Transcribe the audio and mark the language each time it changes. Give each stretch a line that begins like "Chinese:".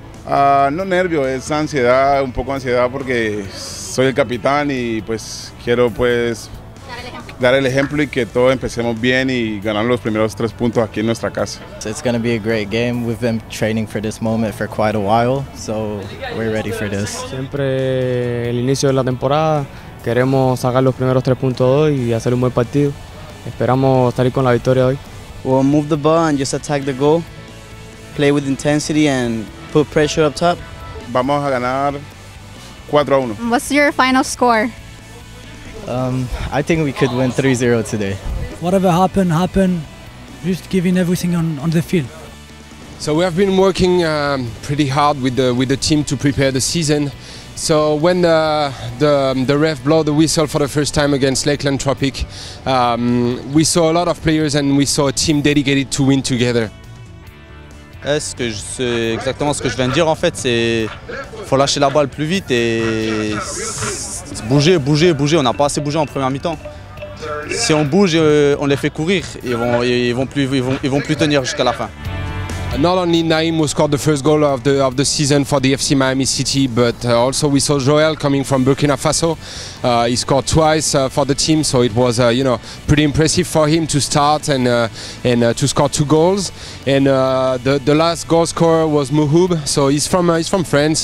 Spanish: No nervio, es ansiedad, un poco ansiedad porque soy el capitán y pues quiero pues dar el ejemplo y que todo empecemos bien y ganar los primeros tres puntos aquí en nuestra casa.
English: So it's going to be a great game. We've been training for this moment for quite a while, so we're ready for this.
Spanish: Siempre el inicio de la temporada, queremos sacar los primeros tres puntos hoy y hacer un buen partido. Esperamos salir con la victoria hoy.
English: We'll move the ball and just attack the goal. Play with intensity and put pressure up top.
Spanish: Vamos a ganar 4-1.
English: What's your final score? I think we could win 3-0 today. Whatever happened, just giving everything on the field. So we have been working pretty hard with the team to prepare the season, So when the ref blew the whistle for the first time against Lakeland Tropic, we saw a lot of players and we saw a team dedicated to win together.
French: C'est exactement ce que je viens de dire en fait, c'est faut lâcher la balle plus vite et bouger. On n'a pas assez bougé en première mi-temps. Si on bouge, on les fait courir, ils vont plus tenir jusqu'à la fin.
English: Not only Naïm who scored the first goal of the season for the FC Miami City, but also we saw Joel coming from Burkina Faso. He scored twice for the team, so it was pretty impressive for him to start and to score two goals. And the last goal scorer was Mouhoub, so he's from France.